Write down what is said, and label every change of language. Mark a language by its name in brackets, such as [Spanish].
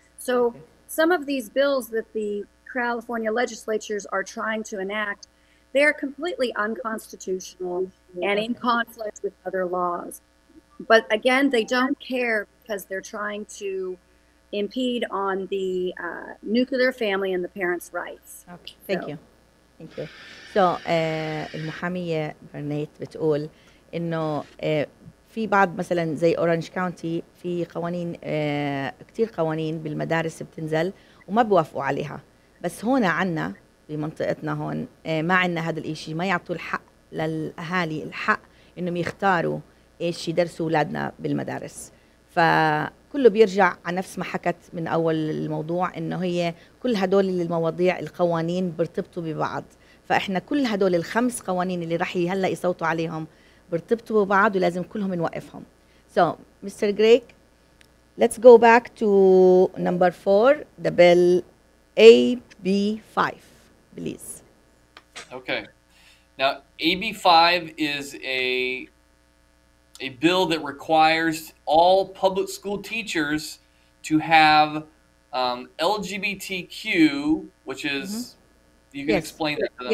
[English] So some of these bills that the California legislatures are trying to enact, they are completely unconstitutional and in conflict with other laws. But again, they don't care because they're trying to impede on the nuclear family and the parents' rights. Okay, thank you. [Arabic] So, المحامية برنيت بتقول إنه في بعض مثلاً زي أورانج كاونتي في قوانين كتير قوانين بالمدارس بتنزل وما بوافقوا عليها. بس هنا عنا بمنطقتنا هون ما عنا هذا الإشي، ما يعطوا الحق للأهالي الحق إنهم يختاروا إيش يدرسوا أولادنا بالمدارس. فكله بيرجع على نفس ما حكت من أول الموضوع، إنه هي كل هدول المواضيع القوانين بيرتبطوا ببعض. فإحنا كل هدول الخمس قوانين اللي رح هلأ يصوتوا عليهم بيرتبطوا ببعض ولازم كلهم نوقفهم. [English] So Mr. Greg, let's go back to number four, the bill AB5, please. Okay. Now AB5 is a bill that requires all public school teachers to have LGBTQ, which is, mm-hmm. you can explain that to them.